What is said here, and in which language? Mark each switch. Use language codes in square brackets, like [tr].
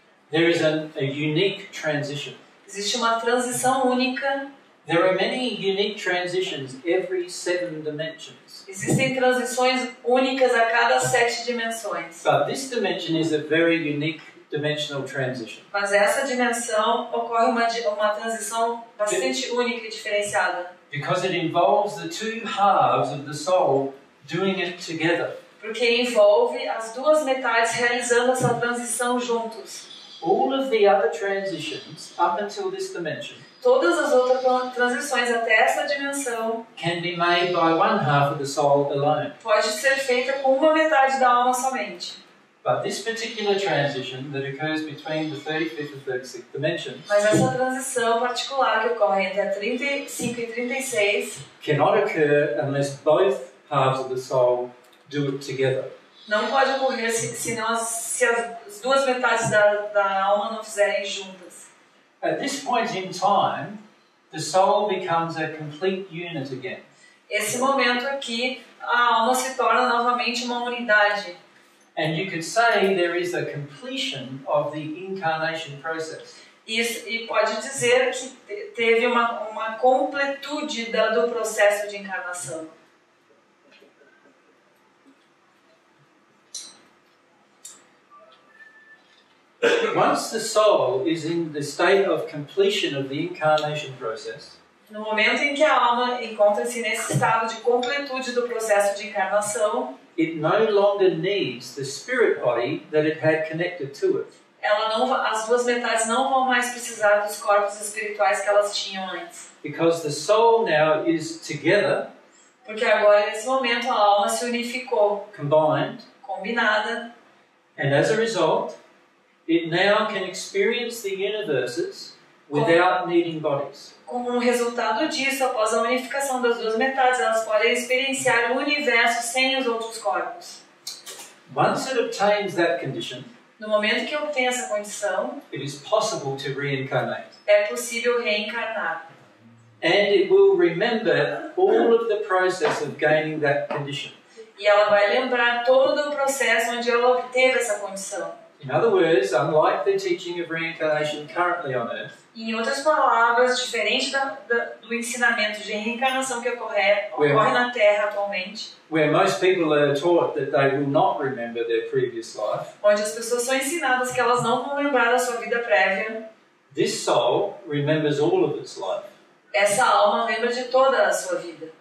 [en] There is a unique transition. [pt] Existe uma transição única. [en] There are many unique transitions every 7 dimensions. [pt] Existem transições únicas a cada 7 dimensões. [en] But this dimension is a very unique dimensional transition. [pt] Mas essa dimensão ocorre uma transição bastante única e diferenciada. [en] Because it involves the two halves of the soul doing it together. [pt] Porque envolve as duas metades realizando essa transição juntos. [en] All of the other transitions up until this dimension. [pt] Todas as outras transições até essa dimensão [en] can be made by one half of the soul alone. [pt] Pode ser feita com uma metade da alma somente. [en] But this particular transition that occurs between the 35th and 36th dimensions. [pt] Mas essa transição particular que ocorre entre a 35 e 36 [en] cannot occur unless both halves of the soul do it together. [pt] Não pode ocorrer se as duas metades da alma não fizerem juntas. [en] At this point in time, the soul becomes a complete unit again. [pt] Esse momento aqui, a alma se torna novamente uma unidade. [en] And you could say there is a completion of the incarnation process. [pt] E pode dizer que teve uma completude do processo de encarnação. [en] Once the soul is in the state of completion of the incarnation process, [pt] no momento em que a alma encontra-se nesse estado de completude do processo de encarnação, [en] it no longer needs the spirit body that it had connected to it. [pt] Ela não, as duas metades não vão mais precisar dos corpos espirituais que elas tinham antes. [en] Because the soul now is together. [pt] Porque agora nesse momento a alma se unificou. [en] Combined. [pt] Combinada. [en] And as a result, it now can experience the universes without needing bodies. [pt] Como um resultado disso, após a unificação das duas metades, elas podem experienciar o universo sem os outros corpos. [en] Once it obtains that condition, [pt] no momento que obtém essa condição, [en] it is possible to reincarnate. [pt] É possível reencarnar. [en] And it will remember all of the process of gaining that condition. [pt] E ela vai lembrar todo o processo onde ela obteve essa condição. [en] In other words, unlike the teaching of reincarnation currently on Earth, [pt] em outras palavras, diferente do ensinamento de reencarnação que ocorre na Terra atualmente, [en] where most people are taught that they will not remember their previous life, [pt] onde as pessoas são ensinadas que elas não vão lembrar da sua vida prévia, [en] this soul remembers all of its life. [pt] Essa alma lembra de toda a sua vida.